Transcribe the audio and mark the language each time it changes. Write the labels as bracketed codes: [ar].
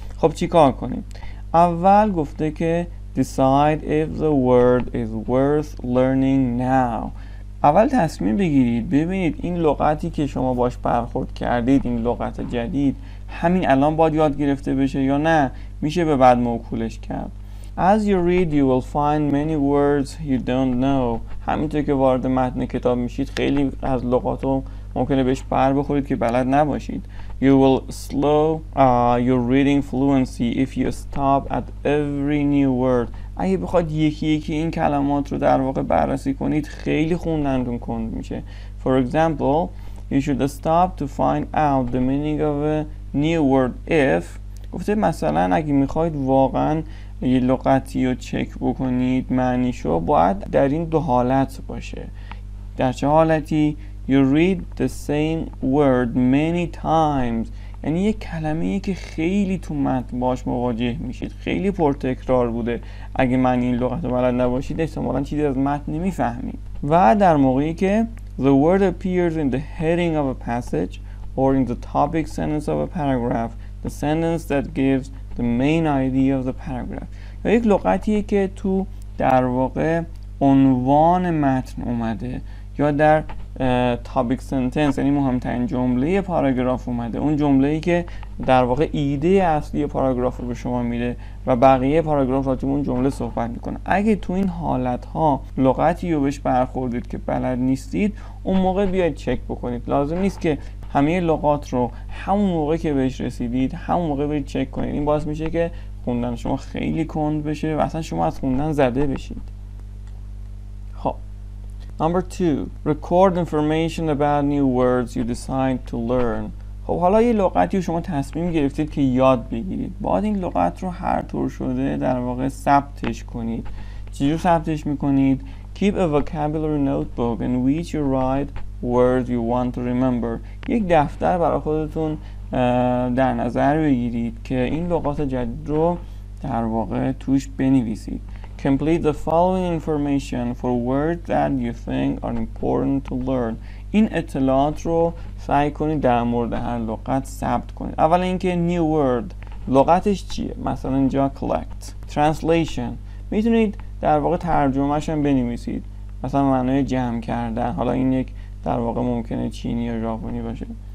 [fa] خب چی کار کنیم؟ اول گفته که [en] decide if the word is worth learning now. [fa] اول تصمیم بگیرید ببینید این لغتی که شما باش برخورد کردید، این لغت جدید همین الان باید یاد گرفته بشه یا نه میشه به بعد موکولش کرد. [en] As you read you will find many words you don't know. [fa] همینطور که وارد متن کتاب میشید خیلی از لغات رو ممکنه بهش بر بخورید که بلد نباشید. [en] You will slow your reading fluency if you stop at every new word. [fa] اگه بخواد یکی یکی این کلمات رو در واقع بررسی کنید خیلی خوندنتون کند میشه. [en] For example, you should stop to find out the meaning of a new word if. [fa] گفته مثلا اگه میخواید واقعا یه لغتی رو چک بکنید معنیشو باید در این دو حالت باشه. در چه حالتی؟ [en] You read the same word many times. [fa] یعنی یک کلمه ای که خیلی تو متن باش مواجه میشید، خیلی پرتکرار بوده. اگه معنی این لغت رو بلد نباشید احتمالاً چیزی از متن نمیفهمید. و در موقعی که [en] the word appears in the heading of a passage or in the topic sentence of a paragraph, the sentence that gives the main idea of the paragraph. [fa] یا یک لغتیه که تو در واقع عنوان متن اومده یا در topic sentence یعنی مهمترین جمله پاراگراف اومده، اون جمله ای که در واقع ایده اصلی پاراگراف رو به شما میده و بقیه پاراگراف را توی اون جمله صحبت میکنه. اگه تو این حالت ها لغتی رو بهش برخوردید که بلد نیستید اون موقع بیاید چک بکنید. لازم نیست که همه لغات رو همون موقع که بهش رسیدید همون موقع برید چک کنید. این باعث میشه که خوندن شما خیلی کند بشه و اصلا شما از خوندن زده بشید. [en] Number 2, record information about new words you decide to learn. [fa] خب حالا یه لغتی رو شما تصمیم گرفتید که یاد بگیرید، باید این لغت رو هر طور شده در واقع ثبتش کنید. چجور ثبتش میکنید؟ [en] Keep a vocabulary notebook in which you write words you want to remember. [fa] یک دفتر برای خودتون در نظر بگیرید که این لغات جدید رو در واقع توش بنویسید. [en] Complete the following information for words that you think are important to learn. [fa] این اطلاعات رو سعی کنید در مورد هر لغت ثبت کنید. اول اینکه new word لغتش چیه؟ مثلا اینجا collect. Translation میتونید در واقع ترجمهش هم بنویسید. مثلا معنای جمع کردن. حالا این یک در واقع ممکنه چینی یا ژاپنی باشه.